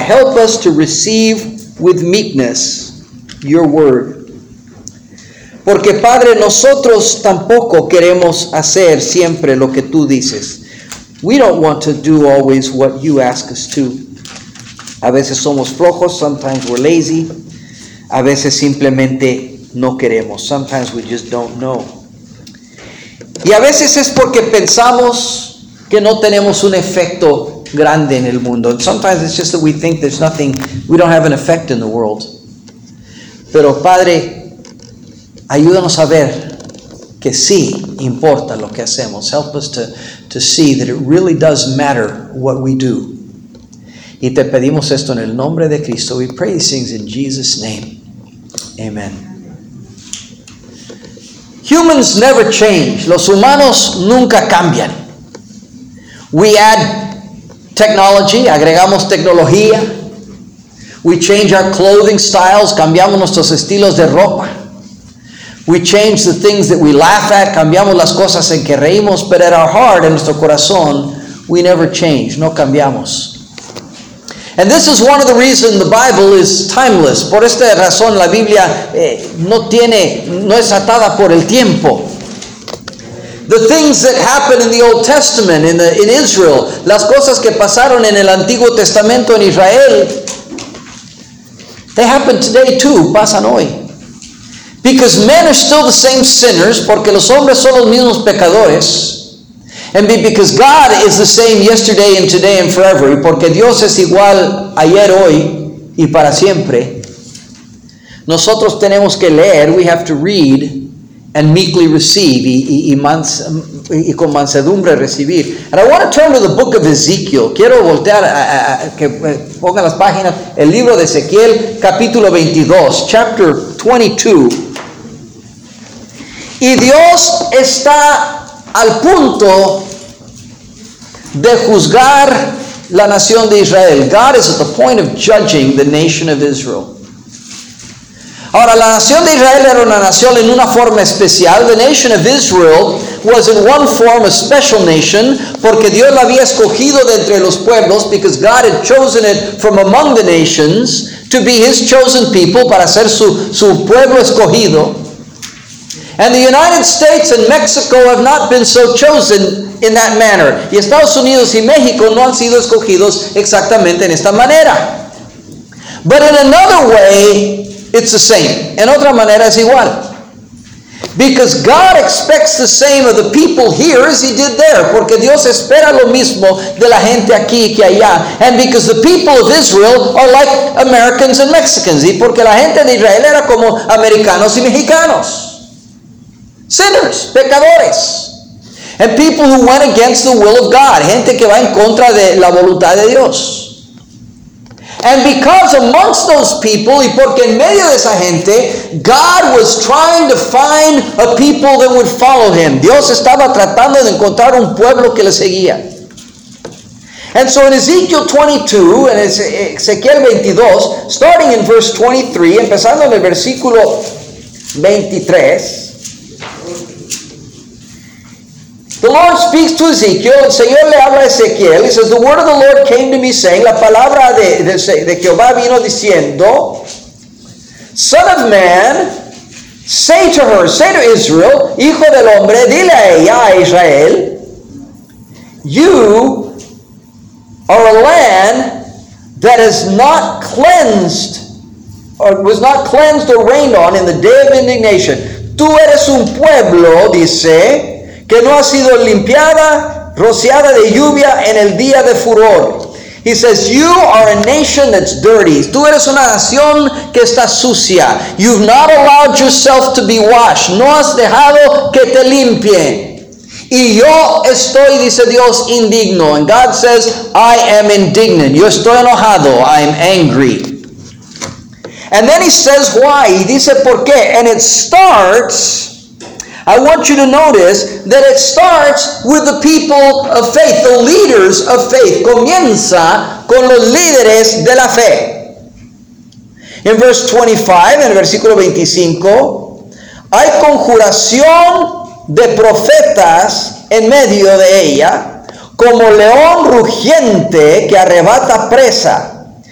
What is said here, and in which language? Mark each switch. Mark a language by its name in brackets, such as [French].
[English] Help us to receive with meekness your word. [Spanish] Porque, Padre, nosotros tampoco queremos hacer siempre lo que tú dices. [English] We don't want to do always what you ask us to. [Spanish] A veces somos flojos, [English] sometimes we're lazy. [Spanish] A veces simplemente no queremos. [English] Sometimes we just don't know. [Spanish] Y a veces es porque pensamos que no tenemos un efecto grande en el mundo. [English] And sometimes it's just that we think there's nothing, we don't have an effect in the world. [Spanish] Pero, Padre, ayúdanos a ver que sí importa lo que hacemos. [English] Help us to see that it really does matter what we do. [Spanish] Y te pedimos esto en el nombre de Cristo. [English] We pray these things in Jesus' name. Amen. Humans never change. [Spanish] Los humanos nunca cambian. [English] We add technology, [Spanish] agregamos tecnología. [English] We change our clothing styles, [Spanish] cambiamos nuestros estilos de ropa. [English] We change the things that we laugh at, [Spanish] cambiamos las cosas en que reímos, [English] but at our heart, [Spanish] en nuestro corazón, [English] we never change, [Spanish] no cambiamos. [English] And this is one of the reasons the Bible is timeless. [Spanish] Por esta razón, la Biblia no es atada por el tiempo. [English] The things that happened in the Old Testament, in Israel, [Spanish] las cosas que pasaron en el Antiguo Testamento en Israel, [English] they happen today too, [Spanish] pasan hoy. [English] Because men are still the same sinners, [Spanish] porque los hombres son los mismos pecadores. [English] And because God is the same yesterday and today and forever, [Spanish] porque Dios es igual ayer, hoy y para siempre. Nosotros tenemos que leer, [English] we have to read, and meekly receive, [Spanish] y con mansedumbre recibir. [English] And I want to turn to the book of Ezekiel. [Spanish] Quiero voltear a que ponga las páginas, el libro de Ezequiel, capítulo 22, [English] chapter 22. [Spanish] Y Dios está al punto de juzgar la nación de Israel. [English] God is at the point of judging the nation of Israel. [Spanish] Ahora, la nación de Israel era una nación en una forma especial. [English] The nation of Israel was in one form a special nation, [Spanish] porque Dios la había escogido de entre los pueblos, [English] because God had chosen it from among the nations to be His chosen people, [Spanish] para ser su pueblo escogido. [English] And the United States and Mexico have not been so chosen in that manner. [Spanish] Y Estados Unidos y México no han sido escogidos exactamente en esta manera. [English] But in another way, it's the same. [Spanish] En otra manera es igual. [English] Because God expects the same of the people here as He did there. [Spanish] Porque Dios espera lo mismo de la gente aquí que allá. [English] And because the people of Israel are like Americans and Mexicans. [Spanish] Y porque la gente de Israel era como americanos y mexicanos. [English] Sinners, pecadores. And people who went against the will of God. [Spanish] Gente que va en contra de la voluntad de Dios. [English] And because amongst those people, [Spanish] y porque en medio de esa gente, [English] God was trying to find a people that would follow Him. [Spanish] Dios estaba tratando de encontrar un pueblo que le seguía. [English] And so in Ezekiel 22, and Ezequiel 22, starting in verse 23, [Spanish] empezando en el versículo 23, [English] the Lord speaks to Ezekiel, [Spanish] el Señor le habla a Ezequiel, [English] he says, the word of the Lord came to me saying, [Spanish] la palabra de Jehová vino diciendo, [English] son of man, say to her, say to Israel, [Spanish] hijo del hombre, dile a ella, a Israel, [English] you are a land that is not cleansed, or was not cleansed or rained on in the day of indignation. [Spanish] Tú eres un pueblo, dice, que no ha sido limpiada, rociada de lluvia en el día de furor. [English] He says, you are a nation that's dirty. [Spanish] Tú eres una nación que está sucia. [English] You've not allowed yourself to be washed. [Spanish] No has dejado que te limpie. Y yo estoy, dice Dios, indigno. [English] And God says, I am indignant. [Spanish] Yo estoy enojado. [English] I am angry. And then He says, why? [Spanish] Y dice, ¿por qué? [English] And it starts, I want you to notice that it starts with the people of faith, the leaders of faith. [Spanish] Comienza con los líderes de la fe. [English] In verse 25, [Spanish] en el versículo 25, Hay conjuración de profetas en medio de ella, como león rugiente que arrebata presa.